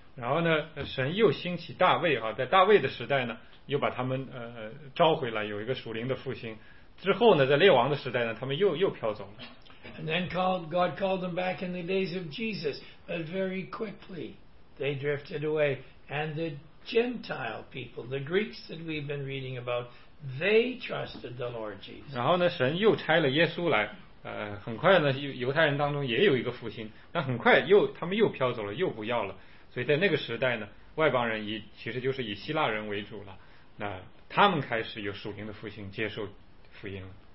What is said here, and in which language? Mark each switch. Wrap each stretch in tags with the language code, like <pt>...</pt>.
<zh>然后呢，神又兴起大卫啊，在大卫的时代呢，又把他们召回来，有一个属灵的复兴。之后呢，在列王的时代呢，他们又飘走了。</zh> <en>And then God called them back in the days of Jesus, but very quickly. They drifted away, and the Gentile people, the Greeks that we've been reading about, they trusted the Lord Jesus.</en> <zh>然后呢，神又差了耶稣来，很快呢，犹太人当中也有一个复兴，但很快又他们又飘走了，又不要了。所以在那个时代呢，外邦人其实就是以希腊人为主了，那他们开始有属灵的复兴，接受福音了。</zh>